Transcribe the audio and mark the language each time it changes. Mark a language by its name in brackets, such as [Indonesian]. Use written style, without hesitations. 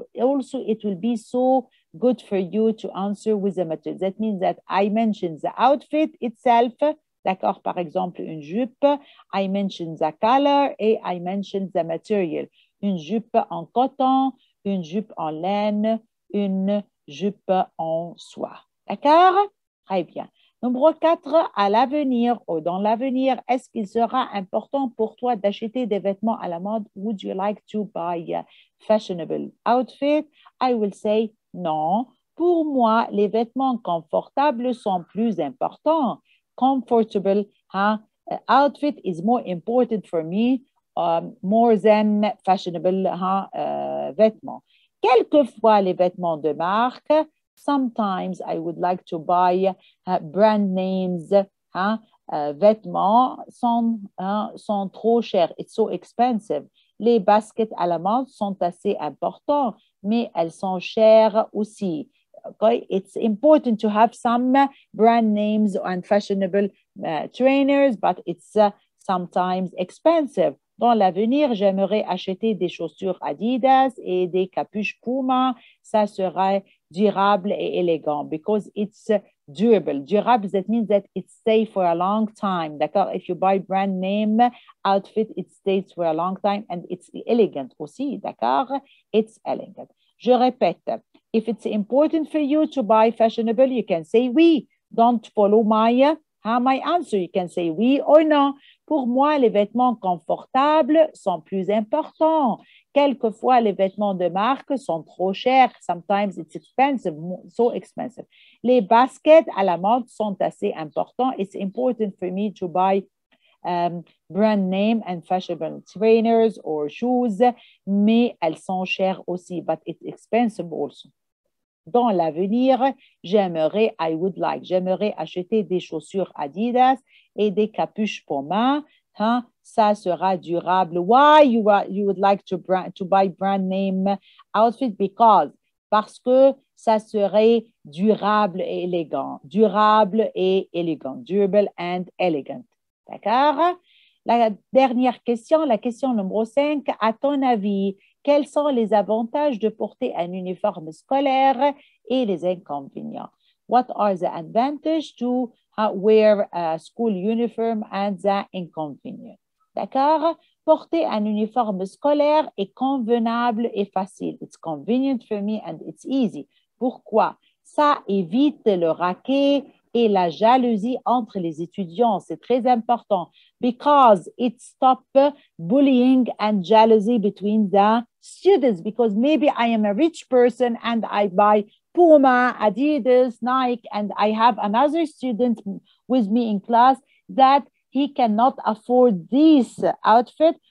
[English] Also, it will be so good for you to answer with the material. That means that I mentioned the outfit itself, [French] d'accord, par exemple, une jupe. [English] I mentioned the color et I mentioned the material. [French] Une jupe en coton, une jupe en laine, une jupe en soie. D'accord? Très bien. Numéro 4, à l'avenir ou dans l'avenir, est-ce qu'il sera important pour toi d'acheter des vêtements à la mode? [English] Would you like to buy a fashionable outfit? I will say, [French] non, pour moi, les vêtements confortables sont plus importants. [English] Comfortable, hein? Outfit is more important for me, more than fashionable, hein? [French] Vêtements. Quelquefois, les vêtements de marque, [English] sometimes I would like to buy brand names, hein? [French] Vêtements sont trop chers. [English] It's so expensive. [French] Les baskets à la mode sont assez importants, mais elles sont chères aussi. [English] Okay? It's important to have some brand names and fashionable trainers, but it's sometimes expensive. [French] Dans l'avenir, j'aimerais acheter des chaussures Adidas et des capuches Puma. Ça serait durable et élégant [English] because it's durable. Durable, that means that it stays for a long time. D'accord? If you buy brand name outfit, it stays for a long time and it's elegant aussi. D'accord? It's elegant. [French] Je répète, [English] if it's important for you to buy fashionable, you can say oui. Don't follow my answer. You can say oui or non. [French] Pour moi, les vêtements confortables sont plus importants. Quelquefois, les vêtements de marque sont trop chers. [English] Sometimes it's expensive, so expensive. [French] Les baskets à la mode sont assez importants. [English] It's important for me to buy brand name and fashionable trainers or shoes, [French] mais elles sont chères aussi, [English] but it's expensive also. [French] Dans l'avenir, j'aimerais acheter des chaussures Adidas et des capuches Puma, hein? Ça sera durable. [English] Why you would like to buy brand name outfit? [French] Because, parce que ça serait durable et élégant. Durable et élégant. [English] Durable and elegant. [French] D'accord? La dernière question, la question numéro 5, à ton avis, quels sont les avantages de porter un uniforme scolaire et les inconvénients? [English] What are the advantages to wear a school uniform and the inconvenients? D'accord? [French] Porter un uniforme scolaire est convenable et facile. [English] It's convenient for me and it's easy. Pourquoi? [French] Ça évite le racket et la jalousie entre les étudiants. C'est très important. [English] Because it stops bullying and jealousy between the students. Because maybe I am a rich person and I buy Puma, Adidas, Nike, and I have another student with me in class that he cannot afford this outfit.